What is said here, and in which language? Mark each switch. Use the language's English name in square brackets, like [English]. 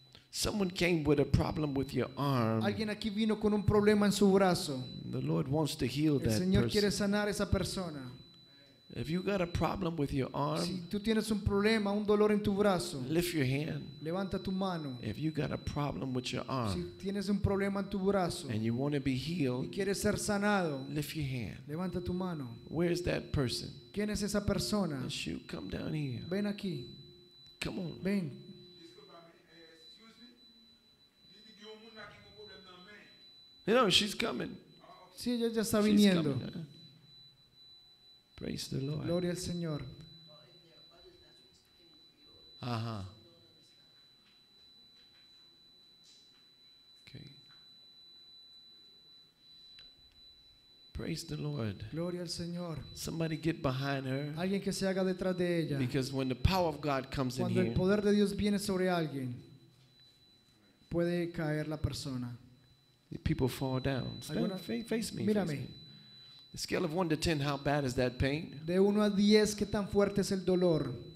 [English] Someone came with a problem with your arm. [Spanish] Alguien aquí vino con un problema en su brazo. [English] The Lord wants to heal that person. [Spanish] El Señor quiere sanar esa persona. [English] If you got a problem with your arm, [Spanish] si tú tienes un problema, un dolor en tu brazo, [English] lift your hand. [Spanish] Levanta tu mano. [English] If you got a problem with your arm, [Spanish] si tienes un problema en tu brazo, [English] and you want to be healed, [Spanish] y quieres ser sanado, [English] lift your hand. [Spanish] Levanta tu mano. [English] Where is that person? [Spanish] ¿Quién es esa persona? [English] It's you. Come down here. [Spanish] Ven aquí. [English] Come on. [Spanish] Ven. [English] You know, she's coming. [Spanish] Sí, ella ya está viniendo. [English] Praise the Lord. [Spanish] Gloria al Señor. Ajá. [English] Okay. Praise the Lord. [Spanish] Gloria al Señor. [English] Somebody get behind her. [Spanish] Alguien que se haga detrás de ella. [English] Because when the power of God comes [Spanish] cuando [English] in here, [Spanish] cuando el poder de Dios viene sobre alguien, puede caer la persona. [English] The people fall down. Stand, face me. [Spanish] Mírame. [English] The scale of 1 to 10, how bad is that pain? [Spanish] De 1 a 10, ¿qué tan fuerte es el dolor?